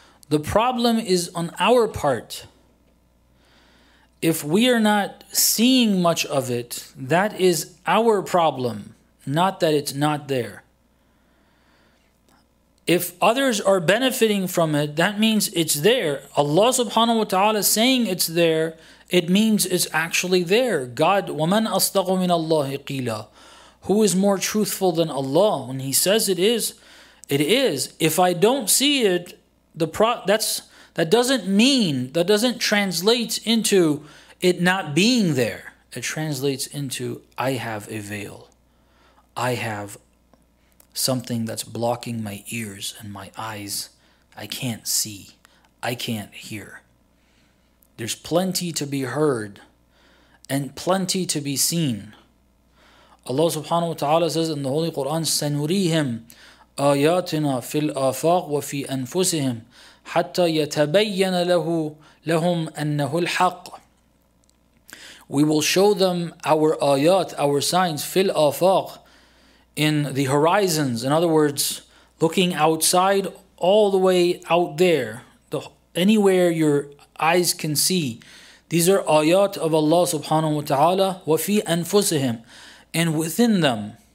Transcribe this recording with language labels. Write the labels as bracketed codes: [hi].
[en] The problem is on our part. If we are not seeing much of it, that is our problem, not that it's not there. If others are benefiting from it, that means it's there. Allah subhanahu wa ta'ala saying it's there, it means it's actually there. God, [ar] وَمَنْ أَصْدَقُ مِنَ اللَّهِ قِيلًا. [en] Who is more truthful than Allah? When He says it is, it is. If I don't see it, that doesn't translate into it not being there. It translates into I have a veil. I have something that's blocking my ears and my eyes. I can't see. I can't hear. There's plenty to be heard and plenty to be seen. [ar] Allah subhanahu wa ta'ala [en] says in the Holy Quran, [ar] سَنُرِيهِمْ آيَاتِنَا فِي الْآفَاقِ وَفِي أَنفُسِهِمْ حَتَّى يَتَبَيَّنَ لَهُمْ أَنَّهُ الْحَقِّ. [en] We will show them our ayat, our signs, [ar] فِي الْآفَاقِ, [en] in the horizons. In other words, looking outside, all the way out there, anywhere your eyes can see, These are ayat of Allah subhanahu wa ta'ala, [ar] wa fi anfusihim, [en] and within them.